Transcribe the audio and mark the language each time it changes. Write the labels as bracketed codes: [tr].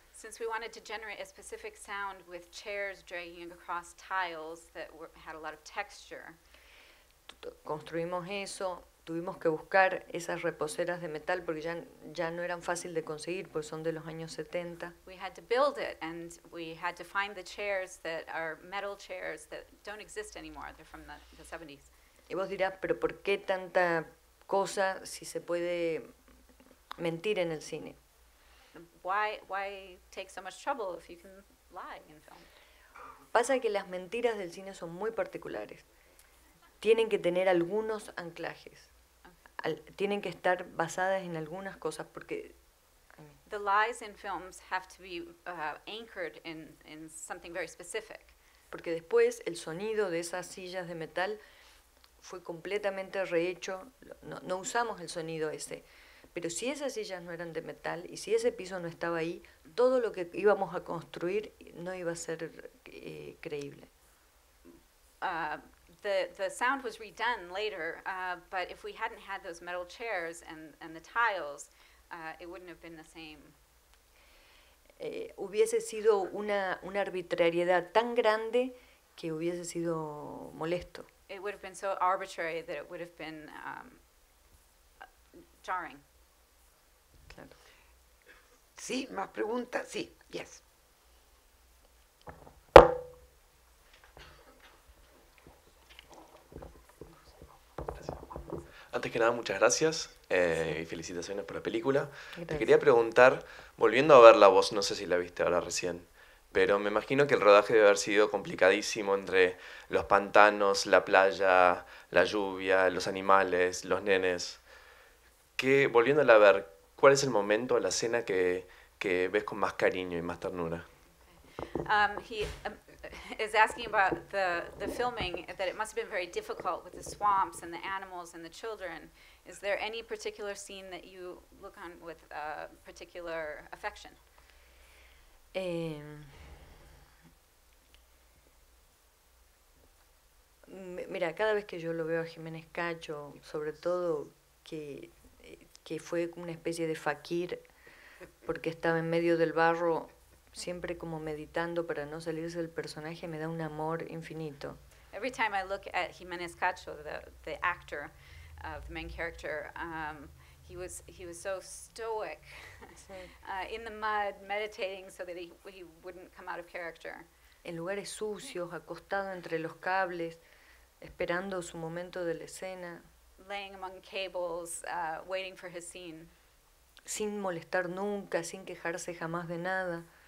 [en] Since we wanted to generate a specific sound with chairs dragging across tiles that had a lot of texture. [es] Construimos eso, tuvimos que buscar esas reposeras de metal porque ya no eran fácil de conseguir porque son de los años 70. [en] We had to build it and we had to find the chairs that are metal chairs that don't exist anymore, they're from the 70s. [es] Y vos dirás, pero ¿por qué tanta cosa si se puede mentir en el cine? [en] Why take so much trouble if you can lie in film? [es] Pasa que las mentiras del cine son muy particulares. Tienen que tener algunos anclajes. Okay. Tienen que estar basadas en algunas cosas porque [en] the lies in films have to be anchored in something very specific. [es] Porque después el sonido de esas sillas de metal fue completamente rehecho. No usamos el sonido ese. Pero si esas sillas no eran de metal y si ese piso no estaba ahí, todo lo que íbamos a construir no iba a ser creíble. [en] The sound was redone later, but if we hadn't had those metal chairs and the tiles, it wouldn't have been the same. [es] Hubiese sido una arbitrariedad tan grande que hubiese sido molesto. [en] It would have been so arbitrary that it would have been jarring. [es] Sí, más preguntas. Sí, yes. Antes que nada, muchas gracias y felicitaciones por la película. Gracias. Te quería preguntar, volviendo a ver la voz, no sé si la viste ahora recién, pero me imagino que el rodaje debe haber sido complicadísimo entre los pantanos, la playa, la lluvia, los animales, los nenes. Que, volviéndola a ver, ¿cuál es el momento, la escena que ves con más cariño y más ternura? [en] He is asking about the filming, that it must have been very difficult with the swamps and the animals and the children. Is there any particular scene that you look on with particular affection? [es] Mira, cada vez que yo lo veo a Jiménez Cacho, sobre todo que fue una especie de fakir porque estaba en medio del barro, siempre como meditando para no salirse del personaje, me da un amor infinito. [en] Every time I look at Jiménez Cacho, the actor of the main character, he was so stoic in the mud, meditating so that he wouldn't come out of character. [es] En lugares sucios, acostado entre los cables, esperando su momento de la escena. [en] Laying among cables, waiting for his scene. [es] Sin molestar nunca, sin quejarse jamás de nada.